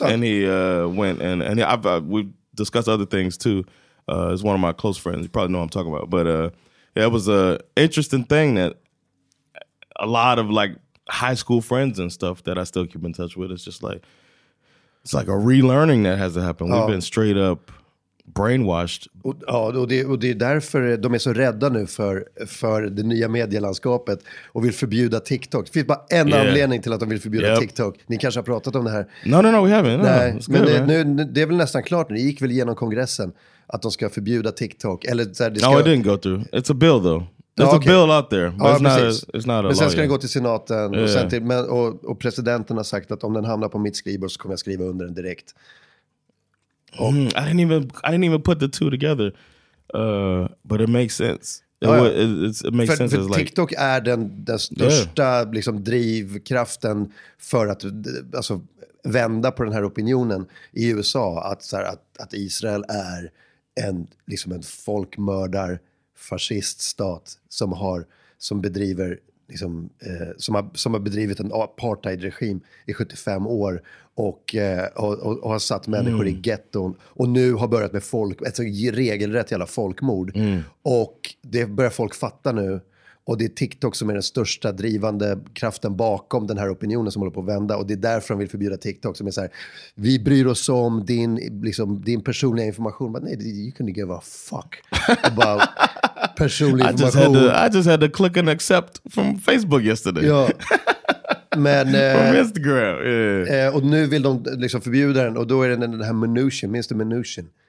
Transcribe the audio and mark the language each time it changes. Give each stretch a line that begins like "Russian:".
English: and he went, and we discussed other things too. Is one of my close friends. You probably know what I'm talking about. But yeah, it was an interesting thing that a lot of like high school friends and stuff that I still keep in touch with, it's like a relearning that has to happen. Ja. We've been straight up brainwashed.
Swedish: Ja, och det är därför de är så rädda nu för det nya medielandskapet och vill förbjuda TikTok. Det finns bara en anledning till att de vill förbjuda TikTok. Ni kanske har pratat om det här.
English: No, we haven't.
Swedish: Nej, men det är väl nästan klart nu. Det gick väl igenom kongressen. Att de ska förbjuda TikTok. Eller så här, det ska...
English: No, it didn't go through. It's a bill though. There's a bill out there. But it's not a
Swedish: men sen ska
English: law
Swedish: den gå till senaten. Yeah. Och presidenten har sagt att om den hamnar på mitt skrivbord så kommer jag skriva under den direkt. Och...
English: Mm, I didn't even put the two together. But it makes sense. It makes sense.
Swedish: För TikTok
English: like...
Swedish: är den största liksom, drivkraften för att... Alltså, vända på den här opinionen i USA att så här, att Israel är en liksom en folkmördar fasciststat som har bedrivit en apartheidregim i 75 år och har satt människor i getton och nu har börjat med folk ett så regelrätt jävla folkmord och det börjar folk fatta nu. Och det är TikTok som är den största drivande kraften bakom den här opinionen som håller på att vända. Och det är därför de vill förbjuda TikTok som är så här, vi bryr oss om din, liksom, din personliga information.
English: But, nej, you couldn't give a fuck about
Swedish: personlig information.
English: I just had to click and accept from Facebook yesterday.
Swedish: Ja. Men,
English: from Instagram. Yeah.
Swedish: Och nu vill de liksom förbjuda den och då är den här Mnuchin, minns du Mnuchin?